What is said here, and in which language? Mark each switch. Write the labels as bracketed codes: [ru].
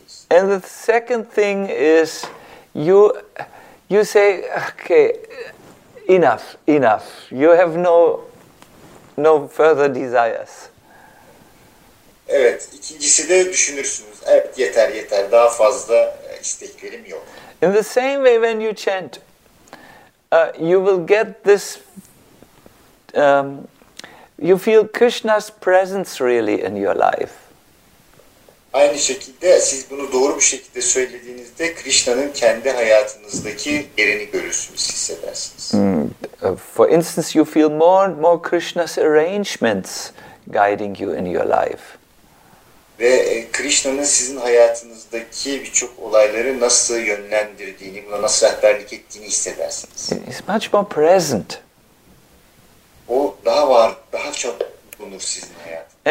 [en] And the second thing is you say okay enough, you have no further desires. [tr] Evet, ikincisi de düşünürsünüz. Evet, yeter, daha fazla isteklerim yok. [en] In the same way when you chant, you will get this, you feel Krishna's presence really in your life. [tr] Aynı şekilde siz bunu doğru bir şekilde söylediğinizde Krishna'nın kendi hayatınızdaki yerini görürsünüz, hissedersiniz. [en] For instance, you feel more and more Krishna's arrangements guiding you in your life. [tr] Ve Krishna'nın sizin hayatınızdaki birçok olayları nasıl yönlendirdiğini, buna nasıl rehberlik ettiğini hissedersiniz. [en] It's much more present. [tr] O daha var, daha çok bulunur sizin hayatınızda.